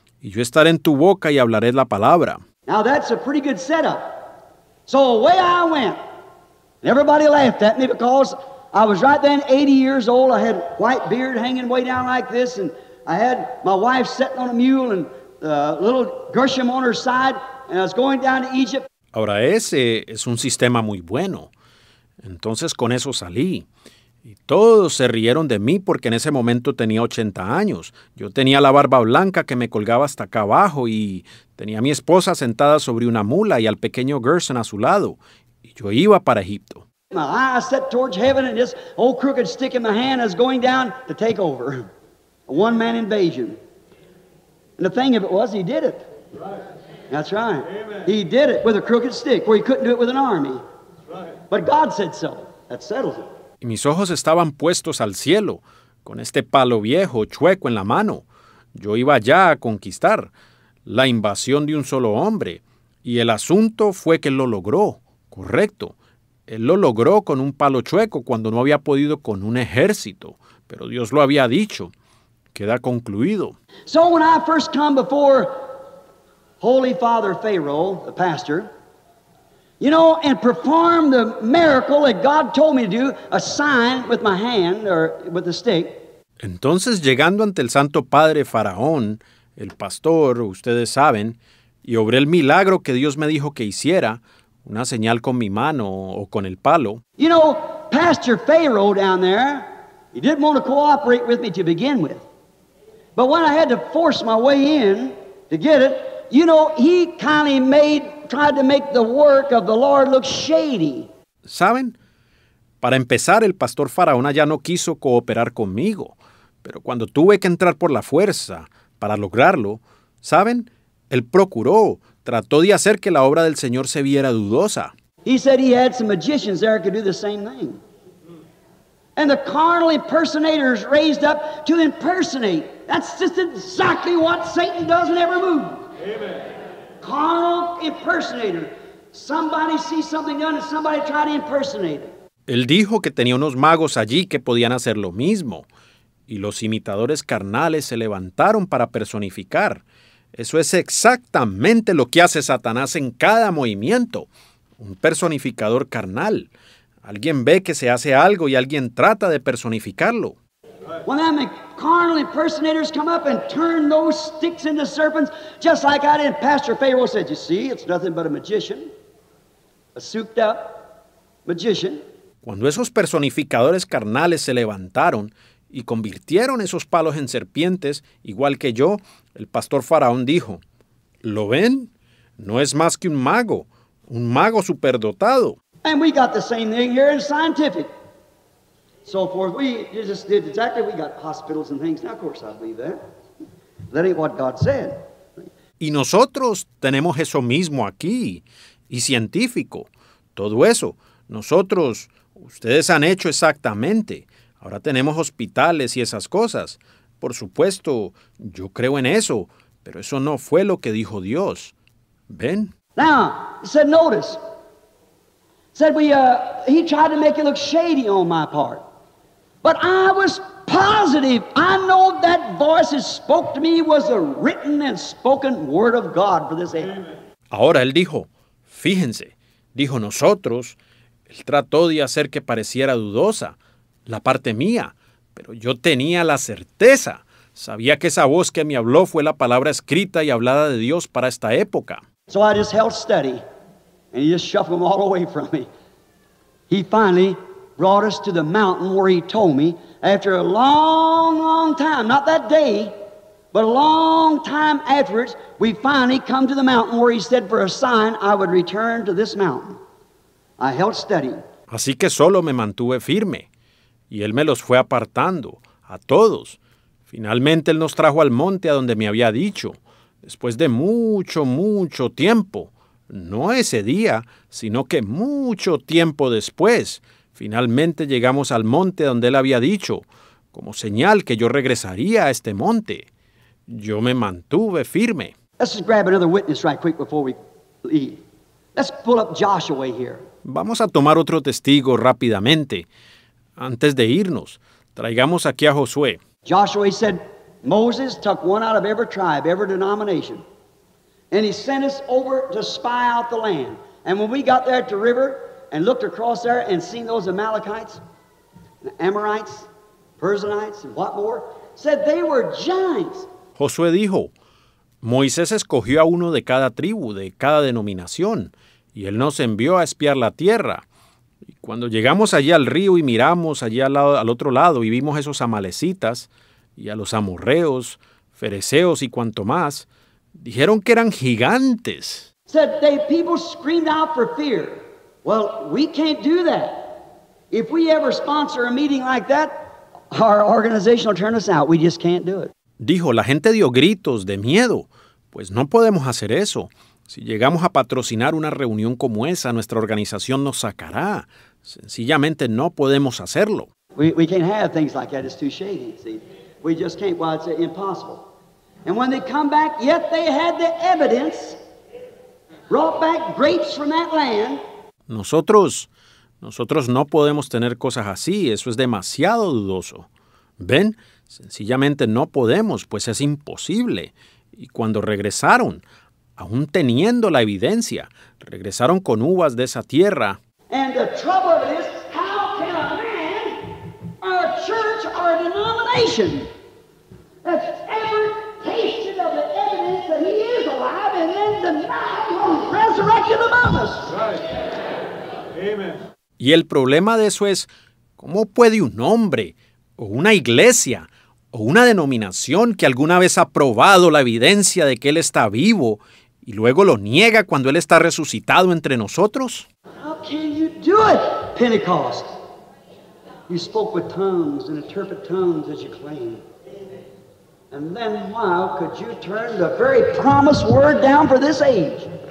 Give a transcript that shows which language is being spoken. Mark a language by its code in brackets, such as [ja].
[es] Y yo estaré en tu boca y hablaré la palabra. [en] Now that's a pretty good setup. So away I went. And everybody laughed at me because I was right then 80 years old. I had white beard hanging way down like this. And I had my wife sitting on a mule and a little Gershom on her side. And I was going down to Egypt. [es] Ahora ese es un sistema muy bueno. Entonces con eso salí. Y todos se rieron de mí porque en ese momento tenía 80 años. Yo tenía la barba blanca que me colgaba hasta acá abajo y tenía a mi esposa sentada sobre una mula y al pequeño Gershom a su lado. Y yo iba para Egipto. [en] My eyes set towards heaven and this old crooked stick in my hand is going down to take over. A one-man invasion. And the thing of it was, he did it. Right. That's right. Amen. He did it with a crooked stick where he couldn't do it with an army. Right. But God said so. That settles it. [es] Y mis ojos estaban puestos al cielo, con este palo viejo, chueco en la mano. Yo iba ya a conquistar la invasión de un solo hombre. Y el asunto fue que él lo logró, correcto. Él lo logró con un palo chueco cuando no había podido con un ejército. Pero Dios lo había dicho. Queda concluido. [en] So when I first come before Holy Father Pharaoh, the pastor, you know, and perform the miracle that God told me to do, a sign with my hand or with a stick. [es] Entonces, llegando ante el Santo Padre Faraón, el pastor, ustedes saben, y obré el milagro que Dios me dijo que hiciera, una señal con mi mano o con el palo. [en] You know, Pastor Pharaoh down there, he didn't want to cooperate with me to begin with. But when I had to force my way in to get it, you know, he kindly tried to make the work of the Lord look shady. [es] ¿Saben? Para empezar, el pastor Faraón ya no quiso cooperar conmigo. Pero cuando tuve que entrar por la fuerza para lograrlo, ¿saben? Él procuró, trató de hacer que la obra del Señor se viera dudosa. [en] He said he had some magicians there who could do the same thing. And the carnal impersonators raised up to impersonate. That's just exactly what Satan does in every move. Amen. Carnal impersonator. Somebody sees something done and somebody try to impersonate it. [es] Él dijo que tenía unos magos allí que podían hacer lo mismo. Y los imitadores carnales se levantaron para personificar. Eso es exactamente lo que hace Satanás en cada movimiento. Un personificador carnal. Alguien ve que se hace algo y alguien trata de personificarlo. [en] When them carnal impersonators come up and turn those sticks into serpents, just like I did, Pastor Pharaoh said, you see, it's nothing but a magician, a souped up magician. [es] Cuando esos personificadores carnales se levantaron y convirtieron esos palos en serpientes, igual que yo, el pastor Faraón dijo, ¿lo ven? No es más que un mago superdotado. [en] And we got the same thing here in scientific. So forth. We just did exactly. We got hospitals and things. Now, of course, I believe that. That ain't what God said. [es] Y nosotros tenemos eso mismo aquí. Y científico. Todo eso. Nosotros, ustedes han hecho exactamente. Ahora tenemos hospitales y esas cosas. Por supuesto, yo creo en eso. Pero eso no fue lo que dijo Dios. ¿Ven? [en] Now, he said, notice. Said we, he tried to make it look shady on my part. But I was positive. I know that voice that spoke to me was a written and spoken word of God for this end. [es] Ahora él dijo, fíjense, dijo nosotros, él trató de hacer que pareciera dudosa, la parte mía, pero yo tenía la certeza. Sabía que esa voz que me habló fue la palabra escrita y hablada de Dios para esta época. [en] So I just held steady. And he just shuffled them all away from me. He finally brought us to the mountain where he told me after a long, long time, not that day, but a long time afterwards, we finally come to the mountain where he said for a sign I would return to this mountain. I held steady. [es] Así que solo me mantuve firme. Y él me los fue apartando, a todos. Finalmente él nos trajo al monte a donde me había dicho. después de mucho, mucho tiempo, no ese día, sino que mucho tiempo después, finalmente llegamos al monte donde él había dicho, como señal que yo regresaría a este monte. Yo me mantuve firme. [en] Let's just grab another witness right quick before we leave. Let's pull up Joshua here. [es] Vamos a tomar otro testigo rápidamente. Antes de irnos, traigamos aquí a Josué. [en] Joshua said, Moses took one out of every tribe, every denomination, and he sent us over to spy out the land. And when we got there at the river and looked across there and seen those Amalekites, the Amorites, Persianites, and what more, said they were giants. [es] Josué dijo, Moisés escogió a uno de cada tribu, de cada denominación, y él nos envió a espiar la tierra. Y cuando llegamos allí al río y miramos allí al otro lado y vimos esos amalecitas y a los amorreos, fereceos y cuanto más, dijeron que eran gigantes. [en] Said they people screamed out for fear. Well, we can't do that. If we ever sponsor a meeting like that, our organization will turn us out. We just can't do it. [es] Dijo, la gente dio gritos de miedo. Pues no podemos hacer eso. Si llegamos a patrocinar una reunión como esa, nuestra organización nos sacará. Sencillamente no podemos hacerlo. [en] We can't have things like that. It's too shady, see? We just can't. Well, it's impossible. And when they come back, yet they had the evidence, brought back grapes from that land. [es] Nosotros no podemos tener cosas así. Eso es demasiado dudoso. ¿Ven? Sencillamente no podemos, pues es imposible. Y cuando regresaron, aún teniendo la evidencia, regresaron con uvas de esa tierra. [en] And the trouble is, how can a man, or a church, or a denomination, that's ever tasted of the evidence that he is alive and then denied on resurrection among us? Right. Amen. [es] Y el problema de eso es, ¿cómo puede un hombre o una iglesia o una denominación que alguna vez ha probado la evidencia de que Él está vivo y luego lo niega cuando Él está resucitado entre nosotros? [en] How can you do it, Pentecost? You spoke with tongues and interpret tongues as you claim. And then how could you turn the very promised word down for this age?